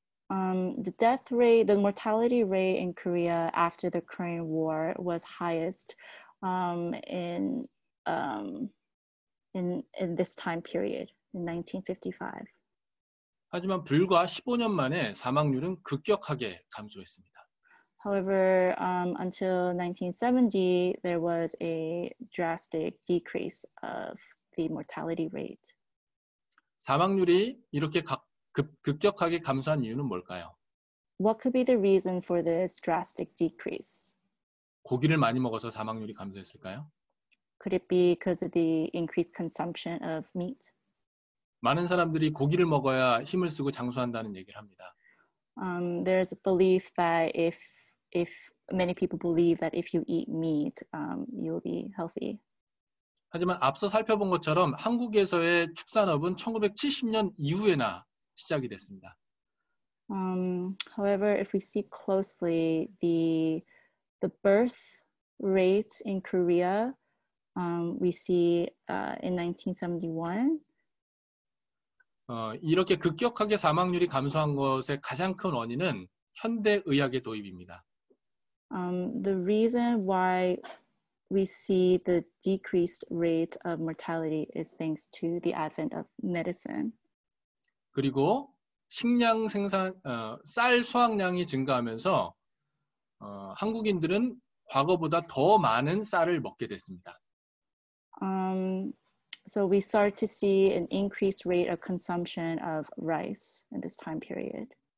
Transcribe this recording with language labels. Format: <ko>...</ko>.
<en>The death rate, the mortality rate in Korea after the Korean War was highest in this time period, in 1955.</en> <ko>하지만 불과 15년 만에 사망률은 급격하게 감소했습니다.</ko> <en>However, until 1970, there was a drastic decrease of the mortality rate.</en> <ko>사망률이 이렇게 급격하게 감소한 이유는 뭘까요?</ko> <en>What could be the reason for this drastic decrease?</en> <ko>고기를 많이 먹어서 사망률이 감소했을까요?</ko> <en>Could it be because of the increased consumption of meat?</en> <ko>많은 사람들이 고기를 먹어야 힘을 쓰고 장수한다는 얘기를 합니다.</ko> <en>There's a belief that if many people believe that if you eat meat, you'll be healthy.</en> <ko>하지만 앞서 살펴본 것처럼 한국에서의 축산업은 1970년 이후에나 시작이 됐습니다.</ko> <en>However, if we see closely, the birth rate in Korea, we see in 1971.</en> <ko>이렇게 급격하게 사망률이 감소한 것의 가장 큰 원인은 현대의학의 도입입니다.</ko> <en>The reason why we see the decreased rate of mortality is thanks to the advent of medicine.</en> <ko>그리고 식량 생산, 쌀 수확량이 증가하면서 한국인들은 과거보다 더 많은 쌀을 먹게 됐습니다.</ko> <en>So we start to see an increased rate of consumption of rice in this time period.</en>